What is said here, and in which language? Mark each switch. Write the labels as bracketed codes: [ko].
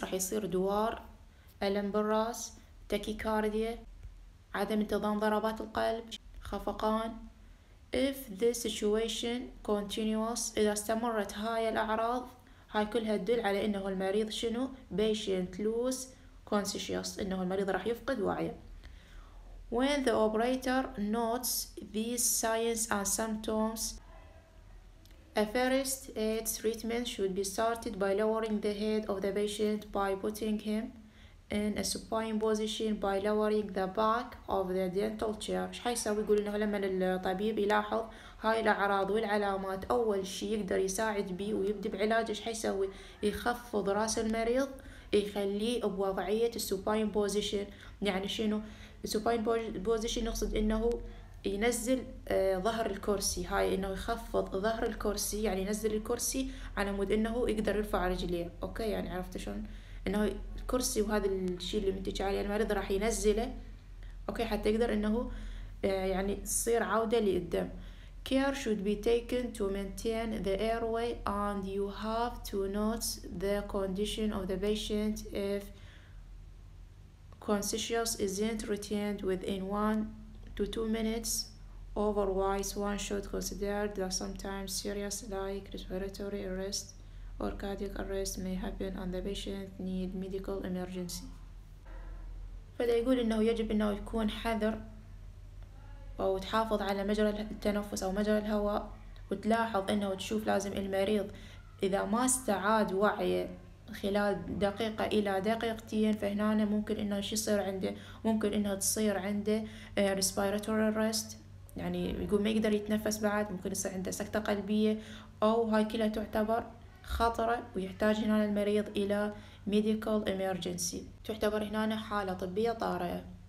[ar] راح يصير دوار، الم بالراس، tachycardia، عدم انتظام ضربات القلب، خفقان. [en] If this situation continues, [ar] إذا استمرت هاي الأعراض، هاي كلها تدل على إنه المريض شنو؟ [en] patient lose consciousness، [ar] إنه المريض راح يفقد وعيه. [en] When the operator notes these signs and symptoms, a first aid treatment should be started by lowering the head of the patient by putting him in a supine position by lowering the back of the dental chair. [ar] ايش حيسوي؟ يقول انه لما الطبيب يلاحظ هاي الاعراض والعلامات اول شيء يقدر يساعد به ويبدا بعلاج. ايش حيسوي؟ يخفض راس المريض، يخليه بوضعيه السوباين بوزيشن. يعني شنو السوباين بوزيشن؟ يقصد انه ينزل ظهر الكرسي، هاي انه يخفض ظهر الكرسي، يعني ينزل الكرسي على مود انه يقدر يرفع رجليه، اوكي، يعني عرفت شلون؟ انه كرسي وهذا الشيء اللي منتج عليه المريض راح ينزله، اوكي، حتى يقدر انه يعني تصير عوده للدم. [en] Care should be taken to maintain the airway and you have to note the condition of the patient if consciousness isn't retained within 1 to 2 minutes. Otherwise one should consider that sometimes serious like respiratory arrest or cardiac arrest may happen and the patient need medical emergency. [ar] فده يقول انه يجب انه يكون حذر او تحافظ على مجرى التنفس او مجرى الهواء، وتلاحظ انه تشوف لازم المريض اذا ما استعاد وعيه خلال دقيقة الى دقيقتين، فهنا ممكن انه شي يصير عنده، ممكن انه تصير عنده respiratory arrest، يعني يقول ما يقدر يتنفس بعد، ممكن يصير عنده سكتة قلبية، او هاي كلها تعتبر خطرة ويحتاج هنا المريض إلى medical emergency، تعتبر هنا حالة طبية طارئة.